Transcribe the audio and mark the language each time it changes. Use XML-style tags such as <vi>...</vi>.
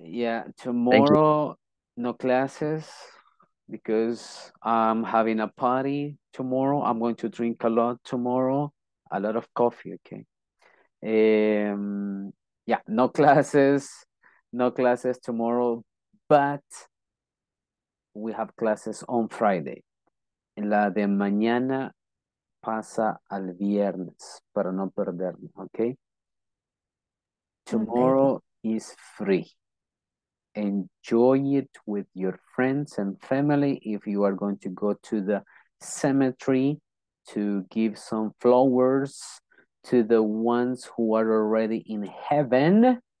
<en>Yeah, tomorrow, no classes because I'm having a party tomorrow. I'm going to drink a lot tomorrow, a lot of coffee, okay? Yeah, no classes tomorrow, but we have classes on Friday.</en> <es>En la de mañana pasa al viernes, para no perderme, okay?</es> <en>Tomorrow is free. Enjoy it with your friends and family if you are going to go to the cemetery to give some flowers to the ones who are already in heaven.</en>